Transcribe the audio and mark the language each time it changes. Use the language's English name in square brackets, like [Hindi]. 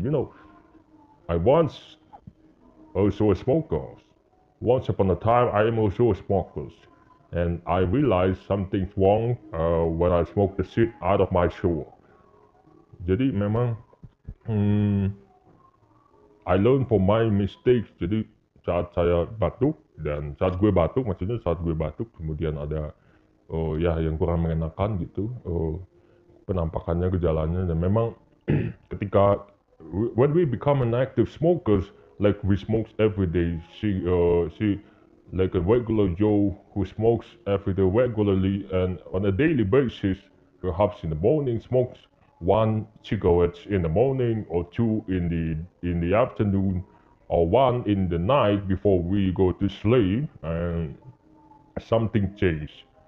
[English] You know, I once also a smoker. Once upon a time, I am also a smoker. And I realized something's wrong when I smoked the shit out of my shoe. [Indonesian] Jadi memang, [English] I learned from my mistakes. [Indonesian] Jadi saat saya batuk, dan saat gue batuk, maksudnya saat gue batuk, kemudian ada yang kurang mengenakan gitu. Penampakannya, gejalanya, dan memang ketika [English] when we become an active smokers, like we smoke every day, see like a regular Joe who smokes every day regularly and on a daily basis, perhaps in the morning smokes one cigarette in the morning or two in the afternoon or one in the night before we go to sleep, and something changed.